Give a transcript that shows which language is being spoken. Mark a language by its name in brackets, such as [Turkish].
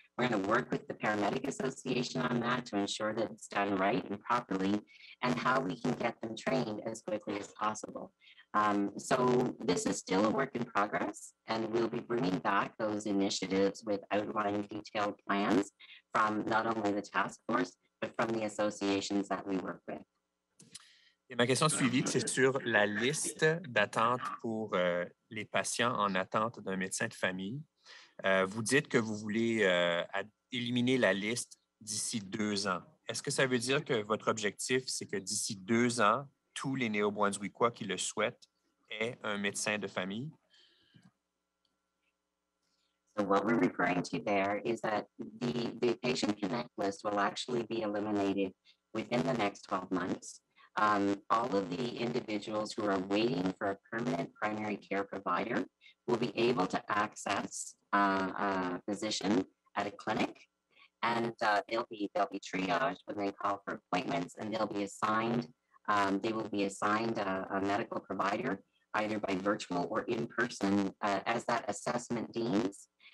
[English] We're going to work with the Paramedic Association on that to ensure that it's done right and properly, and how we can get them trained as quickly as possible. So this is still a work in progress, and we'll be bringing back those initiatives with outlined detailed plans from not only the task force, but from the associations that we work with. [French] Et ma question suivante, c'est sur la liste d'attente pour les patients en attente d'un médecin de famille. Vous dites que vous voulez éliminer la liste d'ici 2 ans. Est-ce que ça veut dire que votre objectif, c'est que d'ici 2 ans, tous les Néo-Brunswickois qui le souhaitent aient un médecin de famille? [English] So what we're referring to there is that the patient connect list will actually be eliminated within the next 12 months. All of the individuals who are waiting for a permanent primary care provider will be able to access a physician at a clinic, and they'll be triaged when they call for appointments, and they will be assigned a medical provider, either by virtual or in person, as that assessment deems.